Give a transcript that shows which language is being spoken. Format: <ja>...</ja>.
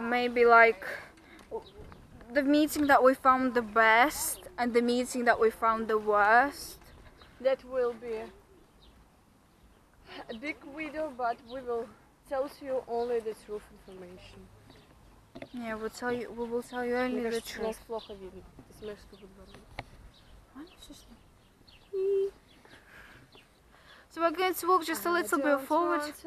<en>Maybe like the meeting that we found the best and the meeting that we found the worst. That will be a big video, but we will tell you only the truth information. Yeah, we'll tell you. We will tell you only the truth.</en> <ru>Плохо видно. Ты смотришь, что будет дальше.</ru> <en>So we're going to walk just a little bit forward.</en>